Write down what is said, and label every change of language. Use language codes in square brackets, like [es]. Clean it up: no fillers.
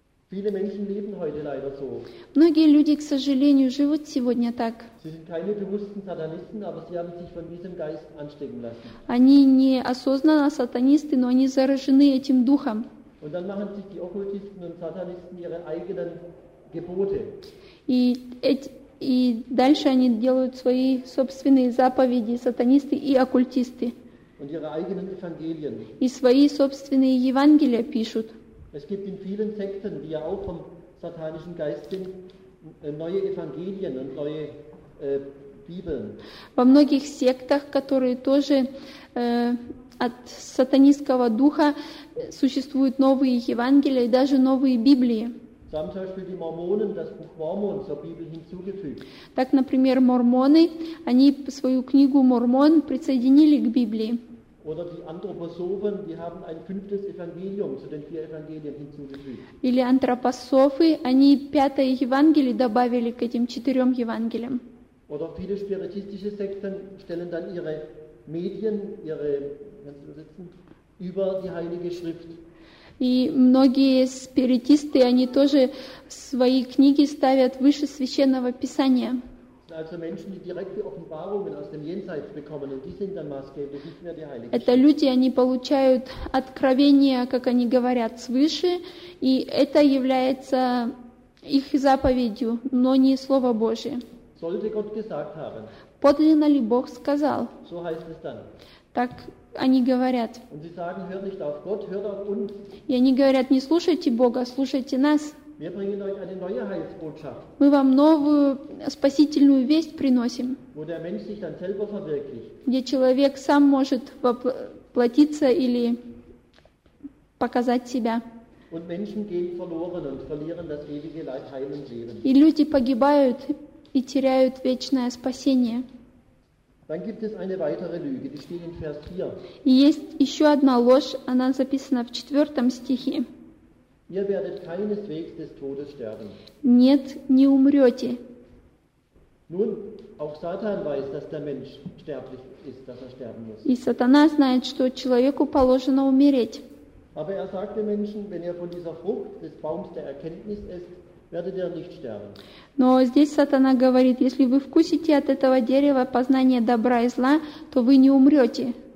[de] Viele Menschen leben heute leider so. [ru] Многие люди, к сожалению, живут сегодня так. [de] Sie sind keine bewussten Satanisten, aber sie haben sich von diesem Geist anstecken lassen. [ru] Они не осознанно сатанисты, но они заражены этим духом. [de] Und dann machen sich die Okkultisten und Satanisten ihre eigenen Gebote. [ru] И дальше они делают свои собственные заповеди, сатанисты и оккультисты. [de] Und ihre eigenen Evangelien. [ru] И свои собственные Евангелия пишут. [de] Es gibt in vielen Sekten, die ja auch vom satanischen Geist sind, neue Evangelien und neue Bibeln. [ru] Во многих сектах, которые тоже от сатанистского духа, существуют новые Евангелия и даже новые Библии. [de] So haben zum Beispiel die Mormonen das Buch Mormon zur Bibel hinzugefügt. [ru] Так, например, мормоны, они свою книгу Мормон присоединили к Библии. [de] Oder die Anthroposophen, die haben ein fünftes Evangelium zu den vier Evangelien hinzugefügt. [ru] Или антропософы, они пятое Евангелие добавили к этим четырем Евангелиям. [de] Oder viele spiritistische Sekten stellen dann ihre Medien, ihre über die Heilige Schrift. [ru] И многие спиритисты, они тоже свои книги ставят выше Священного Писания. [de] Also Menschen, die direkte Offenbarungen aus dem Jenseits bekommen, und die sind dann maßgeblich, nicht mehr die Heilige [ru] Schrift. Это люди, они получают откровения, как они говорят, свыше, и это является их заповедью, но не Слово Божие. [de] Sollte Gott gesagt haben. [ru] Подлинно ли Бог сказал? [de] So heißt es dann. [ru] Так они говорят. [de] Und sie sagen, hör nicht auf Gott, hör auf uns. [ru] И они говорят, не слушайте Бога, слушайте нас. [de] Wir bringen euch eine neue Heilsbotschaft. [ru] Мы вам новую спасительную весть приносим. [de] Wo der Mensch sich dann selber verwirklicht. [ru] Где человек сам может воплотиться или показать себя. [de] Und Menschen gehen verloren und verlieren das ewige Heil und Leben. [ru] И люди погибают и теряют вечное спасение. [de] Dann gibt es eine weitere Lüge, die steht in Vers 4. [ru] И есть еще одна ложь, она записана в 4 стихе. [de] Ihr werdet keineswegs des Todes sterben. [ru] Нет, не умрете. [de] Nun, auch Satan weiß, dass der Mensch sterblich ist, dass er sterben muss. [ru] И сатана знает, что человеку положено умереть. [de] Aber er sagt den Menschen, wenn ihr von dieser Frucht des Baums der Erkenntnis esst, werdet ihr nicht sterben. [ru] Но здесь сатана говорит, если вы вкусите от этого дерева познания добра и зла, то вы не умрете.